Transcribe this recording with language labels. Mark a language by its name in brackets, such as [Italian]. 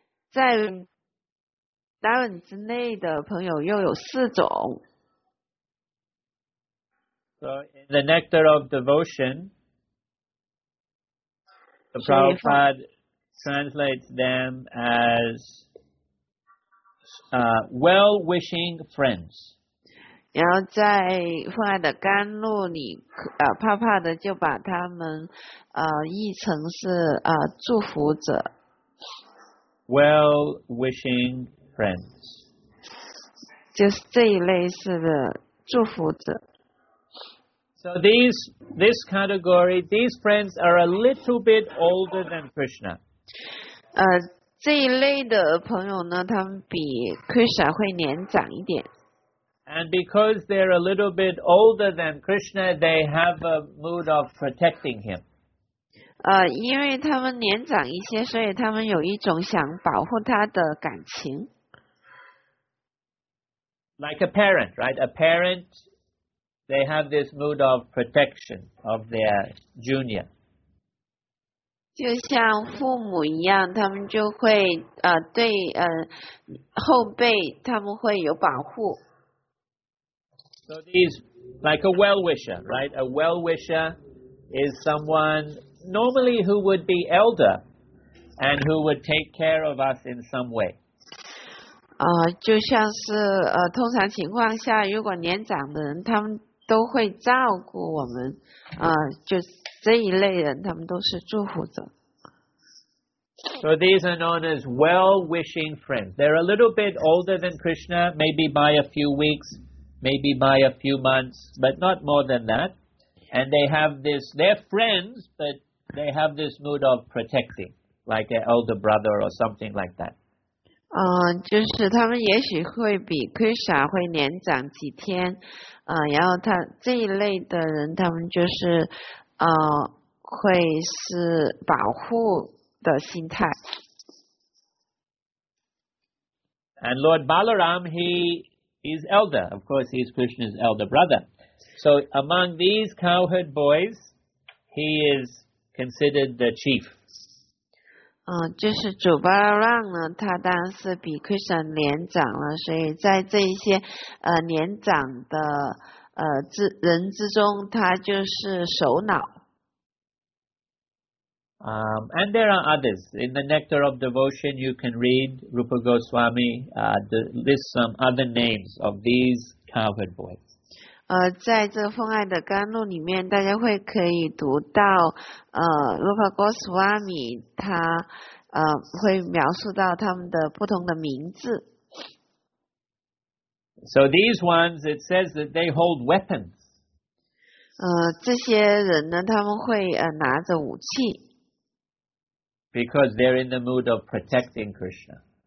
[Chinese] 在 Vrindavan 之内的朋友又有四种。 [English] So in the Nectar of Devotion, the Prabhupada translates them as well-wishing friends. [Chinese] 然后在父爱的甘露里，帕帕的就把他们译成是祝福者。 [English] Well-wishing friends. [Chinese] 就是这一类似的祝福者。 [English] So this category, these friends are a little bit older than Krishna. [Chinese] 这一类的朋友呢，他们比 Krishna 会年长一点。 [English] And because they're a little bit older than Krishna, they have a mood of protecting him. [Chinese] 因为他们年长一些，所以他们有一种想保护他的感情。 [English] Like a parent, right? A parent... They have this mood of protection of their junior. [Chinese] 就像父母一样，他们就会对后辈他们会有保护。 [English] So these like a well-wisher, right? A well-wisher is someone normally who would be elder and who would take care of us in some way. [Chinese] 就像是通常情况下，如果年长的人，他们都会照顾我们，就这一类人，他们都是祝福者。 [English] So these are known as well-wishing friends. They're a little bit older than Krishna, maybe by a few weeks, maybe by a few months, but not more than that. And they have this, they're friends, but they have this mood of protecting, like an elder brother or something like that. [Chinese] 就是他们也许会比 Krishna 会年长几天，然后他这一类的人，他们就是会是保护的心态。 [English] And Lord Balaram, he's elder, of course, he's Krishna's elder brother. So among these cowherd boys, he is considered the chief. [Chinese] 就是主巴拉让呢，他当然是比 Krishna 年长了，所以在这一些年长的人之中，他就是首脑。 [English] And there are others. In the Nectar of Devotion, you can read Rupa Goswami lists some other names of these cowherd boys. [Chinese] 在这个风爱的甘露里面，大家会可以读到Rupa Goswami 他会描述到他们的不同的名字。 [English] So these ones, it says that they hold weapons. [Chinese] 这些人呢，他们会拿着武器。 [English] Because they're in the mood of protecting Krishna.